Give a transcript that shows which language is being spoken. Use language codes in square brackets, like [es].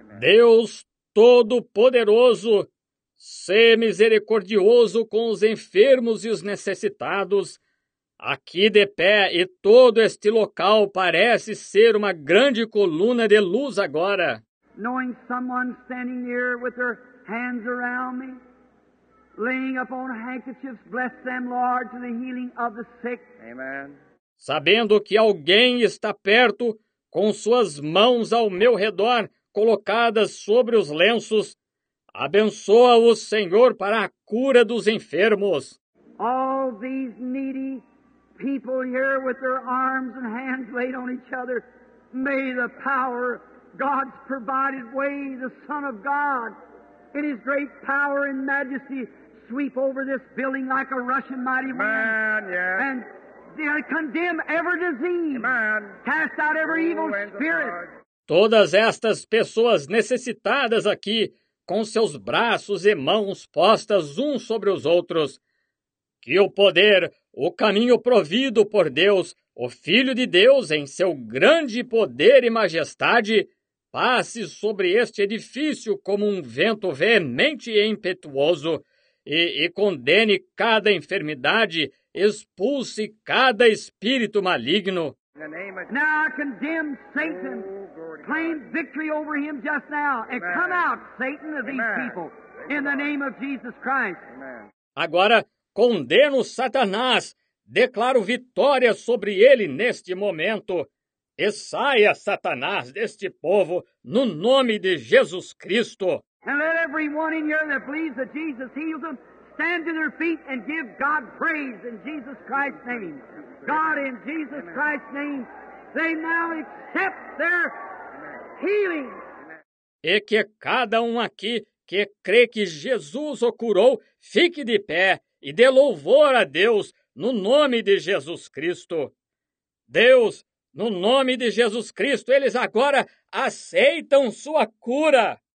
[pt] Deus Todo-Poderoso, se misericordioso com os enfermos e os necessitados, aqui de pé e todo este local parece ser uma grande coluna de luz agora. [en] Knowing someone standing here with their hands around me, laying upon handkerchiefs, bless them, Lord, to the healing of the sick. Amen. [pt] Sabendo que alguém está perto, com suas mãos ao meu redor, colocadas sobre os lenços, abençoa o Senhor para a cura dos enfermos. [en] All these needy people here with their arms and hands laid on each other, may the power, God's provided way, the Son of God, in His great power and majesty, sweep over this building like a rushing mighty wind. Yes. And condemn every disease. Amen. Cast out every evil spirit. [pt] Todas estas pessoas necessitadas aqui, com seus braços e mãos postas uns sobre os outros, que o poder, o caminho provido por Deus, o Filho de Deus, em seu grande poder e majestade, passe sobre este edifício como um vento veemente e impetuoso, e condene cada enfermidade, expulse cada espírito maligno. [en] Now I condemn Satan. Claim victory over him just now. And come out, Satan, of these people. In the name of Jesus Christ. [pt] Agora, condeno Satanás. Declaro vitória sobre ele neste momento. E saia, Satanás, deste povo, no nome de Jesus Cristo. [en] And let everyone in here that believes that Jesus heals them stand to their feet and give God praise in Jesus Christ's name. God, in Jesus Christ's name, they now accept their healing. [pt] E que cada um aqui que crê que Jesus o curou, fique de pé e dê louvor a Deus no nome de Jesus Cristo. Deus, no nome de Jesus Cristo, eles agora aceitam sua cura.